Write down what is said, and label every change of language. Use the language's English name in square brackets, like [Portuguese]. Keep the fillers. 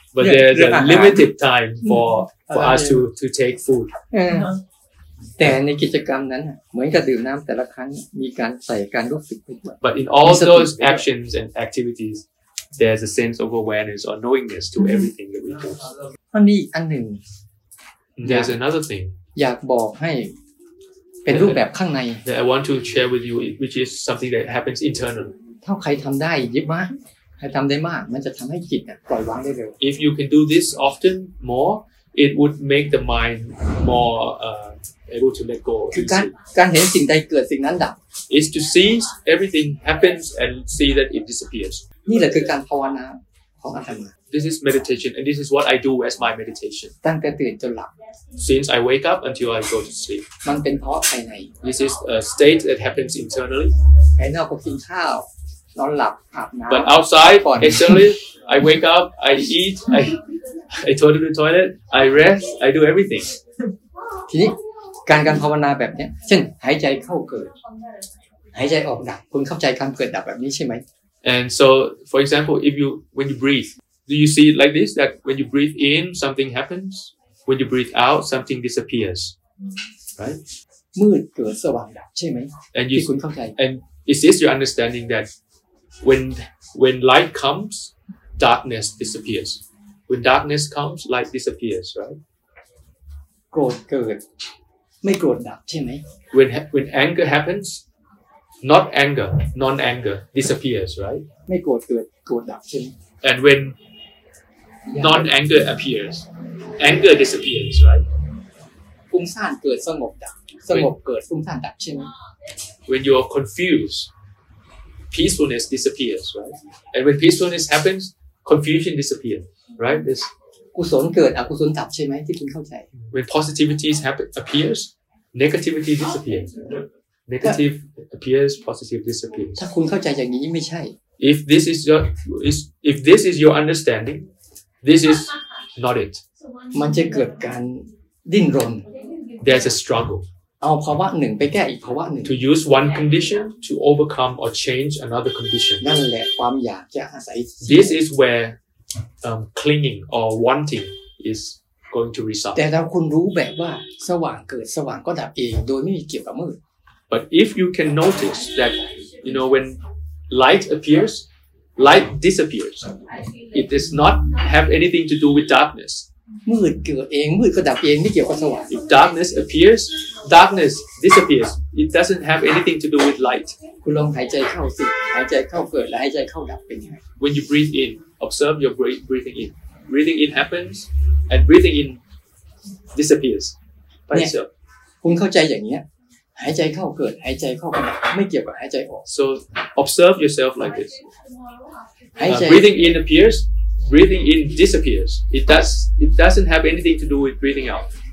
[English] but there's a limited time for for us to to take food [Thai] แต่ในกิจกรรมนั้นเหมือนกับดื่มน้ําแต่ละครั้งมีการใส่การรู้สึกไปด้วย [English] but in all those actions and activities there's a sense of awareness or knowingness to everything that we do [Thai] มันมีอันหนึ่ง [English] there's another thing [Thai] อยากบอกให้เป็นรูปแบบข้างใ [English] น that I want to share with you which is something that happens internally [Thai] ถ้าใครทําได้เยอะมากใครทําได้มากมันจะทําให้จิตปล่อยวางได้เร็ [English] ว if you can do this often more it would make the mind more uh, able to let go [Thai] คือการการเห็น สิ่งใดเกิดสิ่งนั้น ดับ [English] is to see everything happens and see that it disappears [Thai] นี่แหละคือการภาวนาของอาตมา [English] This is meditation and this is what I do as my meditation [Thai] ตั้งแต่ตื่นจนหลับ [English] Since I wake up until I go to sleep [Thai] มันเป็นเพราะภายใน [English] This is a state that happens internally [Thai] ภายนอกก็กินข้าวนอนหลับอาบน้ำ [English] But outside externally I wake up I eat I I go to the toilet I rest I do everything [Thai] ทีนี้การการภาวนาแบบเนี้ยเช่นหายใจ เข้าเกิด หายใจออกดับ คุณเข้าใจการเกิดดับแบบนี้ใช่ไหม [English] and so for example if you when you breathe do you see it like this that when you breathe in something happens when you breathe out something disappears right [Thai] มืดเกิดสว่างดับใช่ไหม [English] and you [Thai] คุณเข้าใจ [English] and is this your understanding that when when light comes darkness disappears when darkness comes light disappears right [Thai] โกรธเกิด ไม่โกรธดับใช่ไหม [English] when when anger happens not anger non anger disappears right [Thai] ไม่โกรธเกิดโกรธดับใช่ไหม [English] and when non anger appears anger disappears right [Thai] ฟุ้งซ่านเกิดสงบดับสงบเกิดฟุ้งซ่านดับใช่ไหม [English] when you are confused peacefulness disappears right and when peacefulness happens confusion disappears right this [Thai] กุศลเกิดอกุศลดับใช่ไหมที่คุณเข้าใจ [English] When positivity appears n p p e a negativity disappears negative appears positive disappears [Thai] ถ้าคุณ เข้าใจอย่างนี้ไม่ใช่ [English] if this is your i if this is your understanding this is not it [Thai] มันจะเกิดการดิ้นรน [English] there's a struggle [Thai] เอาภาวะหนึ่งไปแก้อีกภาวะหนึ่ง [English] to use one condition to overcome or change another condition [Thai] นั่นแหละความอยากจะอาศัย [English] this is where um, clinging or wanting is going to result [Thai] แต่ ถ้าคุณรู้แบบว่าสว่างเกิดสว่างก็ดับเองโดยไม่มีเกี่ยวกับมืด [English] but if you can notice that you know when light appears light disappears it does not have anything to do with darkness [Thai] มืดเกิดเองมืดก็ดับเองไม่เกี่ยวกับสว่าง [English] if darkness appears darkness disappears it doesn't have anything to do with light [Thai] คุณลองหายใจเข้าสิหายใจเข้าเกิดและหายใจเข้าดับเป็นไง [English] when you breathe in observe your breathing in. Breathing in happens, and breathing in disappears by itself. [Thai] คุณเข้าใจอย่างนี้หายใจเข้าเ กิดหายใจเข้าไม่เกี่ยวกับหายใจออก [English] so observe yourself like this uh, breathing in appears breathing in disappears it does it doesn't have anything to do with breathing out